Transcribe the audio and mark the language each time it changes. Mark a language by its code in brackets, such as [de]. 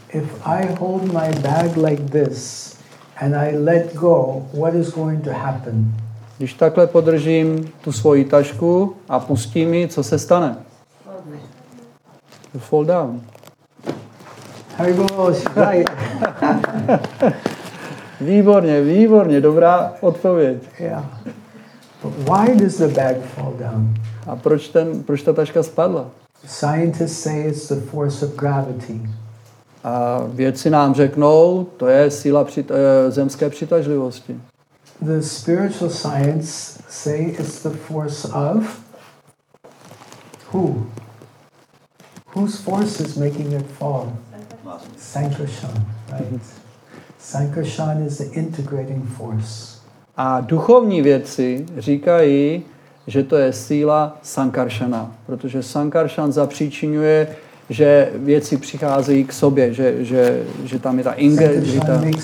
[en] If I hold my bag like this and I let go, what is going to happen? [cs] Když takhle podržím tu svoji tašku a pustím ji, co se stane? [en] To fall down. Harry Bosch, right. [cs] Výborně, výborně, dobrá odpověď. [en] Yeah. But why does the bag fall down? [cs] A proč ta taška spadla? [en] Scientists say it's the force of gravity. [cs] A vědci nám řeknou, to je síla zemské přitažlivosti. [en] The spiritual science say it's the force of who? Whose force is making it fall? Sankarshan, right? Sankarshan is the integrating force. [cs] A duchovní vědci říkají, že to je síla Sankarshana, protože Sankarshan zapříčinuje, že věci přicházejí k sobě, že tam je ta integrita.